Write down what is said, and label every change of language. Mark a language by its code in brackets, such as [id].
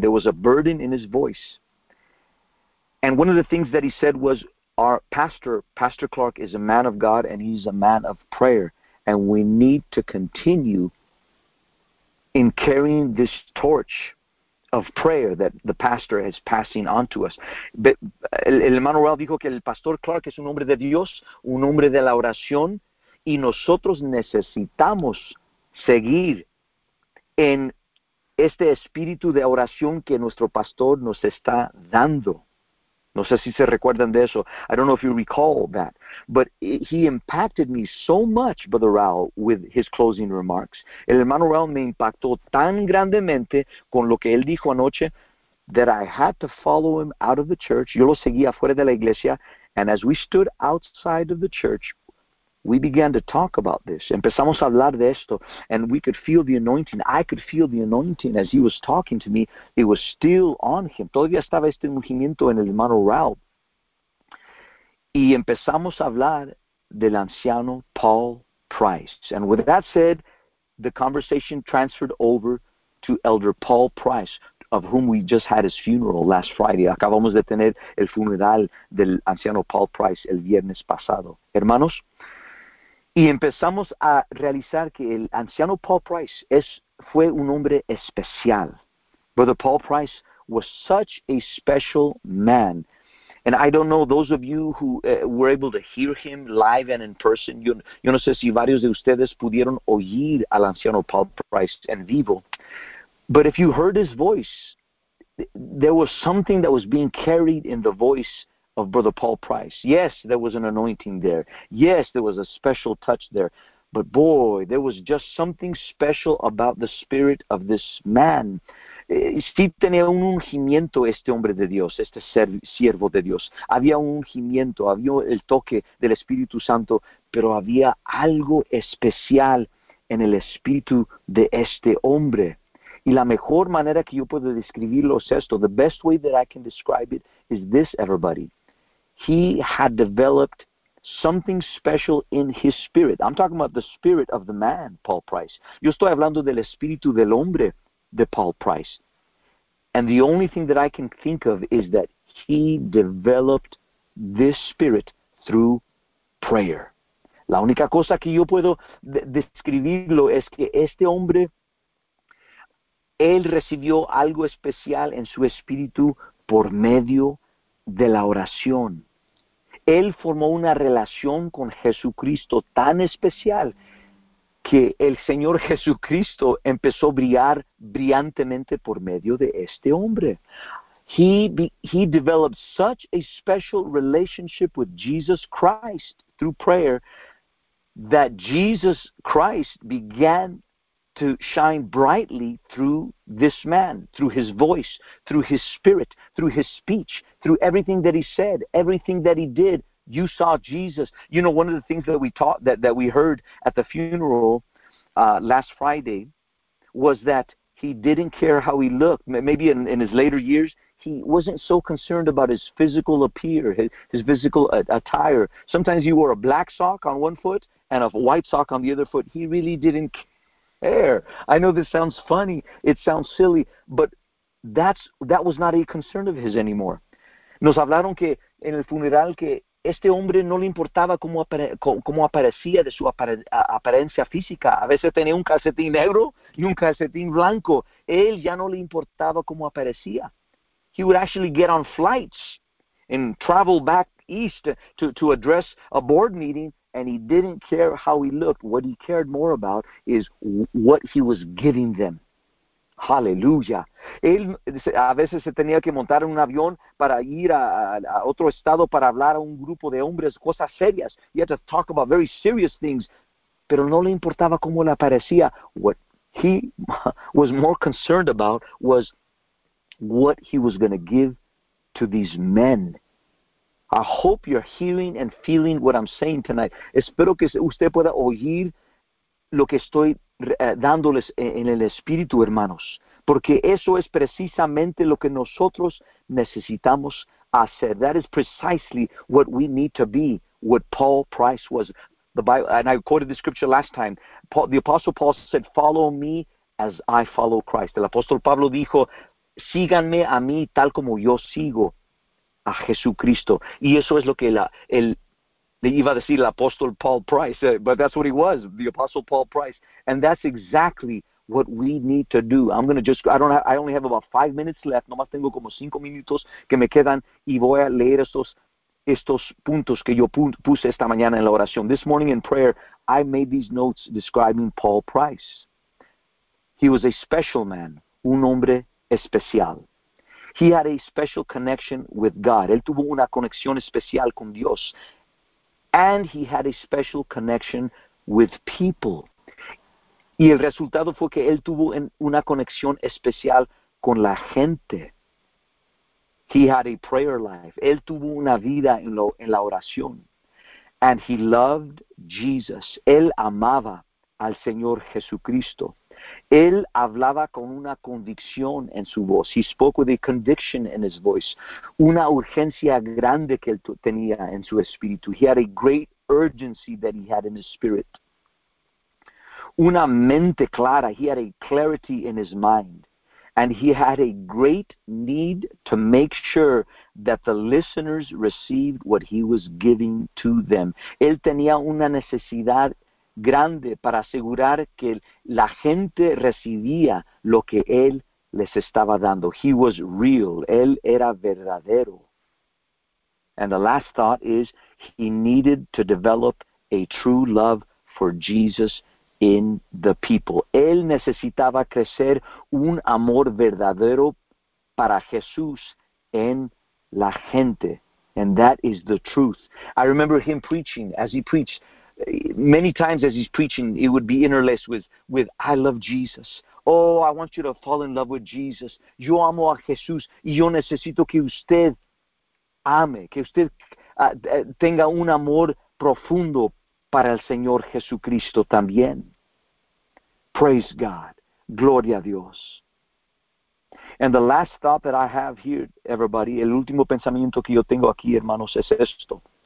[en] There was a burden in his voice. And one of the things that he said was, our pastor, Pastor Clark, is a man of God, and he's a man of prayer. And we need to continue in carrying this torch of prayer that the pastor is passing on to us. [es] But el hermano Rao dijo que el pastor Clark es un hombre de Dios, un hombre de la oración, y nosotros necesitamos seguir en este espíritu de oración que nuestro pastor nos está dando. No sé si se recuerdan de eso. [en] I don't know if you recall that. But he impacted me so much, Brother Raúl, with his closing remarks. [es] El hermano Raúl me impactó tan grandemente con lo que él dijo anoche [en] that I had to follow him out of the church. [es] Yo lo seguí afuera de la iglesia. [en] And as we stood outside of the church, we began to talk about this. [es] Empezamos a hablar de esto. [en] And we could feel the anointing. I could feel the anointing as he was talking to me. It was still on him. [es] Todavía estaba este ungimiento en el hermano Raúl. Y empezamos a hablar del anciano Paul Price. [en] And with that said, the conversation transferred over to Elder Paul Price, of whom we just had his funeral last Friday. [es] Acabamos de tener el funeral del anciano Paul Price el viernes pasado. Hermanos, y empezamos a realizar que el anciano Paul Price fue un hombre especial. [en] Brother Paul Price was such a special man. And I don't know, those of you who were able to hear him live and in person, [es] yo no sé si varios de ustedes pudieron oír al anciano Paul Price en vivo. [en] But if you heard his voice, there was something that was being carried in the voice of Brother Paul Price. Yes, there was an anointing there. Yes, there was a special touch there. But boy, there was just something special about the spirit of this man. [es] Steve tenía un ungimiento, este hombre de Dios, este siervo de Dios. Había un ungimiento, había el toque del Espíritu Santo, pero había algo especial en el espíritu de este hombre. Y la mejor manera que yo puedo describirlo es esto. [en] The best way that I can describe it is this, everybody. He had developed something special in his spirit. I'm talking about the spirit of the man, Paul Price. [es] Yo estoy hablando del espíritu del hombre de Paul Price. [en] And the only thing that I can think of is that he developed this spirit through prayer. [es] La única cosa que yo puedo describirlo es que este hombre, él recibió algo especial en su espíritu por medio de la oración. Él formó una relación con Jesucristo tan especial que el Señor Jesucristo empezó a brillar brillantemente por medio de este hombre. [en] He developed such a special relationship with Jesus Christ through prayer that Jesus Christ began to shine brightly through this man, through his voice, through his spirit, through his speech, through everything that he said, everything that he did. You saw Jesus. You know, one of the things that we taught, that we heard at the funeral last Friday was that he didn't care how he looked. Maybe in his later years, he wasn't so concerned about his physical appear, his physical attire. Sometimes he wore a black sock on one foot and a white sock on the other foot. He really didn't care. Hair. I know this sounds funny, it sounds silly, but that was not a concern of his anymore. [es] Nos hablaron que en el funeral que este hombre no le importaba cómo aparecía de su apariencia física. A veces tenía un calcetín negro y un calcetín blanco. Él ya no le importaba cómo aparecía. [en] He would actually get on flights and travel back east to address a board meeting. And he didn't care how he looked. What he cared more about is what he was giving them. Hallelujah. [es] Él a veces se tenía que montar en un avión para ir a otro estado para hablar a un grupo de hombres, cosas serias. [en] He had to talk about very serious things. [es] Pero no le importaba cómo le parecía. [en] What he was more concerned about was what he was going to give to these men. I hope you're hearing and feeling what I'm saying tonight. [es] Espero que usted pueda oír lo que estoy dándoles en el espíritu, hermanos, porque eso es precisamente lo que nosotros necesitamos hacer. [en] That is precisely what we need to be, what Paul Price was. The Bible, and I quoted the scripture last time. Paul, the Apostle Paul said, "Follow me as I follow Christ." [es] El apóstol Pablo dijo, "Síganme a mí tal como yo sigo a Jesucristo." Y eso es lo que le iba a decir el apóstol Paul Price, [en] but that's what he was, the apostle Paul Price. And that's exactly what we need to do. I'm going to just, I don't have, I only have about 5 minutes left. [es] Nomás tengo como 5 minutos que me quedan y voy a leer estos puntos que yo puse esta mañana en la oración. [en] This morning in prayer, I made these notes describing Paul Price. He was a special man, [es] un hombre especial. [en] He had a special connection with God. [es] Él tuvo una conexión especial con Dios. [en] And he had a special connection with people. [es] Y el resultado fue que él tuvo una conexión especial con la gente. [en] He had a prayer life. [es] Él tuvo una vida en la oración. [en] And he loved Jesus. [es] Él amaba al Señor Jesucristo. Él hablaba con una convicción en su voz. [en] He spoke with a conviction in his voice. [es] Una urgencia grande que él tenía en su espíritu. [en] He had a great urgency that he had in his spirit. [es] Una mente clara. [en] He had a clarity in his mind. And he had a great need to make sure that the listeners received what he was giving to them. [es] Él tenía una necesidad grande para asegurar que la gente recibía lo que él les estaba dando. [en] He was real. [es] Él era verdadero. [en] And the last thought is, he needed to develop a true love for Jesus in the people. [es] Él necesitaba crecer un amor verdadero para Jesús en la gente. [en] And that is the truth. I remember him preaching as he preached. Many times as he's preaching, it would be interlaced with I love Jesus. Oh, I want you to fall in love with Jesus. [es] Yo amo a Jesús y yo necesito que usted ame, que usted tenga un amor profundo para el Señor Jesucristo también. [en] Praise God. [es] Gloria a Dios. [en] And the last thought that I have here, everybody, [es] el último pensamiento que yo tengo aquí, hermanos, es esto.